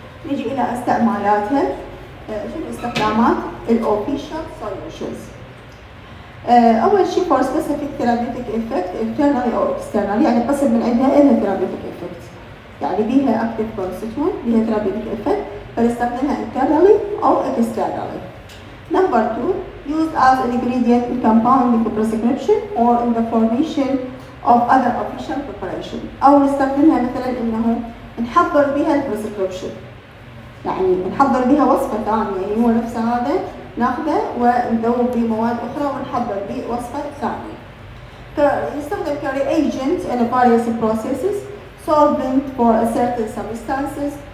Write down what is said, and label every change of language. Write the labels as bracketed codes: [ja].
[ar] نجي الى استعمالاتها شنو استخدامات الاوفيشال سوليوشنز. اول شيء فور سبيسيفيك ثيرابيوتيك افكت انترنالي او اكسترنالي يعني قسم من عندها الها ثيرابيوتيك افكت يعني بيها اكتف كونستيتون بيها ثيرابيوتيك افكت فنستخدمها internally أو externally. [en] Number two, used as an ingredient in compounding the prescription or in the formation of other official preparation. [ar] أو نستخدمها مثلا إنه نحضر بها البرسكريبشن. يعني نحضر بها وصفة ثانية، يعني هو نفس هذا ناخذه ونذوب به مواد أخرى ونحضر به وصفة ثانية. نستخدم كريجنت [en] in various processes, solvent for a certain substances.